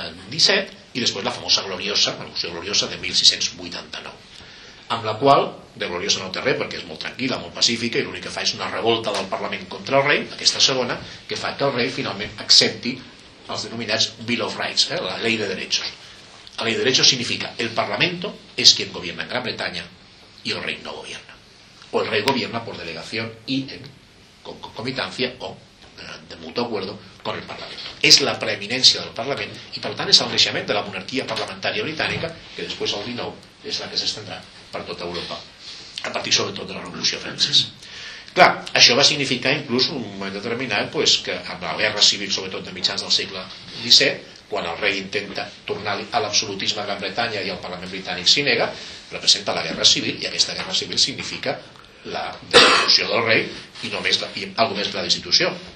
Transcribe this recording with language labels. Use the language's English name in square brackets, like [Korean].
[Catalan] XVII, i després la famosa gloriosa, la revolució gloriosa de 1689, amb la qual, de gloriosa no té res perquè és molt tranquil·la, molt pacífica, i l'únic que fa és una revolta del Parlament contra el rei, aquesta segona, que fa que el rei finalment accepti els denominats Bill of Rights, la llei de derechos. [Spanish] La llei de derechos significa el Parlamento es quien gobierna en Gran Bretaña y el rey no gobierna. O el rey gobierna por delegación y en concomitancia o de mutu acuerdo con el Parlament. [Catalan] És la preeminència del Parlament i per tant és el creixement de la monarquia parlamentària britànica, que després el 19 és la que s'estendrà per tota Europa a partir sobretot de la revolució francesa. Clar, això va significar inclús un moment determinat pues, que amb la guerra civil sobretot de mitjans del segle XVII, quan el rei intenta tornar a l'absolutisme de Gran Bretanya i el Parlament britànic s'hi nega, representa la guerra civil, i aquesta guerra civil significa la destitució del rei i només la destitució.